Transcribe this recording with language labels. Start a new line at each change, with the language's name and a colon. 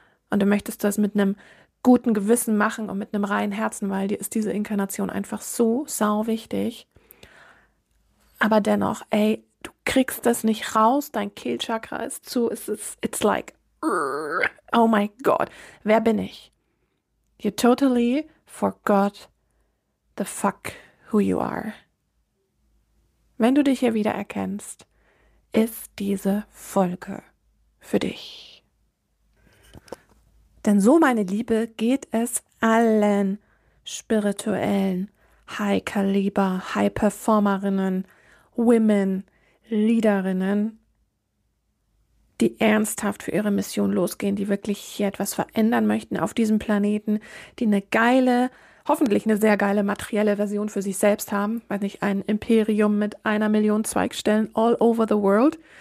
German: Und du möchtest das mit einem guten Gewissen machen und mit einem reinen Herzen, weil dir ist diese Inkarnation einfach so sau wichtig. Aber dennoch, ey, du kriegst das nicht raus, dein Kehlchakra ist zu,
English: it's like, oh my God,
German: wer bin ich?
English: You totally forgot the fuck who you are.
German: Wenn du dich hier wieder erkennst, ist diese Folge für dich. Denn so, meine Liebe, geht es allen spirituellen High-Kaliber, High-Performerinnen, Women, Leaderinnen, die ernsthaft für ihre Mission losgehen, die wirklich hier etwas verändern möchten auf diesem Planeten, die eine geile, hoffentlich eine sehr geile materielle Version für sich selbst haben, weil nicht ein Imperium mit 1 Million Zweigstellen
English: all over the world.